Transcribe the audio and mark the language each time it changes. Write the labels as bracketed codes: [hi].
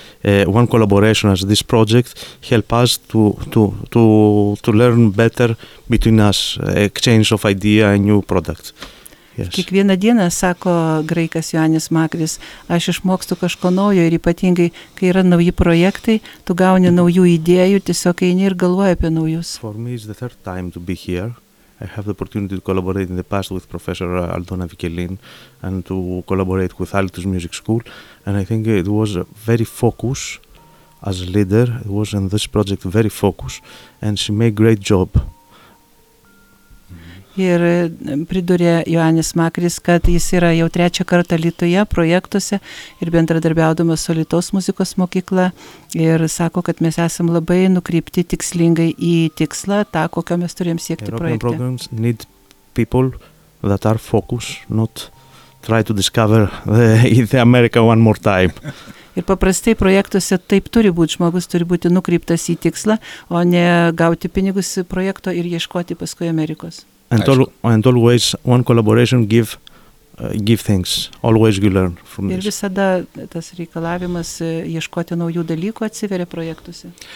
[en] One collaboration as this project help us to learn better between us, exchange of idea and new product. Yes. [lt] Kiekvieną dieną, sako graikas Joanis Makris, aš išmokstu kažko naujo ir ypatingai, kai yra nauji projektai, tu gauni naujų idėjų, tiesiog eini ir galvoji apie naujus. [en] For me is the third time to be here. I have the opportunity to collaborate in the past with Professor Aldona Vikelin and to collaborate with Altus Music School. And I think it was very focused as a leader. It was in this project very focused and she made great job. [lt] Ir pridūrė Joanis Makris, kad jis yra jau trečią kartą Lietuvoje projektuose ir bendradarbiaudamas su Lietuvos muzikos mokykla ir sako, kad mes esam labai nukreipti tikslingai į tikslą, tą, kokio mes turėjom siekti projekte. [en] European programs need people that are focused, not try to discover the America one more time. [lt] Ir paprastai projektuose taip turi būti, žmogus turi būti nukreiptas į tikslą, o ne gauti pinigus projekto ir ieškoti paskui Amerikos. [en] And always one collaboration give things. Always you learn from this. [lt] Ir visada tas reikalavimas ieškoti naujų dalykų atsiveria projektuose.